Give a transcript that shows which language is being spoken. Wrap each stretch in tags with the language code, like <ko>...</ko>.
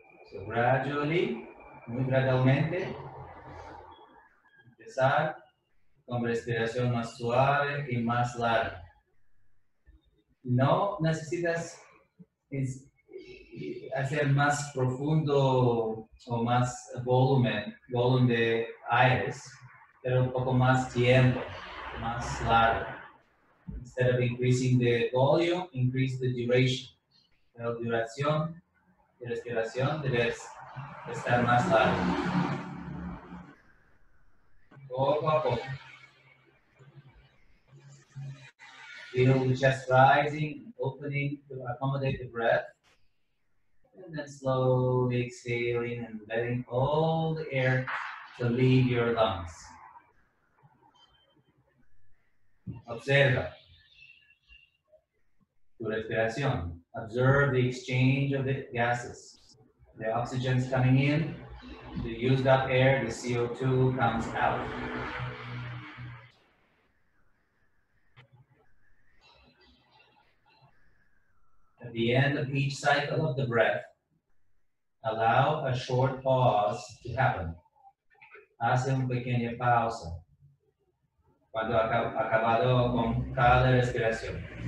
<en>So gradually,</en> <es>muy gradualmente, empezar con respiración más suave y más larga. No necesitas es hacer más profundo o más volumen de aires, pero un poco más tiempo, más largo.</es> <en>Instead of increasing the volume, increase the duration.</en> <es>La duración de respiración debe estar más larga. Poco a poco.</es> <en>Feel the chest rising, opening to accommodate the breath. And then slowly exhaling and letting all the air to leave your lungs.</en> <es>Observa tu respiración.</es> <en>Observe the exchange of the gases. The oxygen is coming in, the used up air, the CO2 comes out. At the end of each cycle of the breath, allow a short pause to happen.</en> <es>Hace una pequeña pausa cuando ha acabado con cada respiración.</es>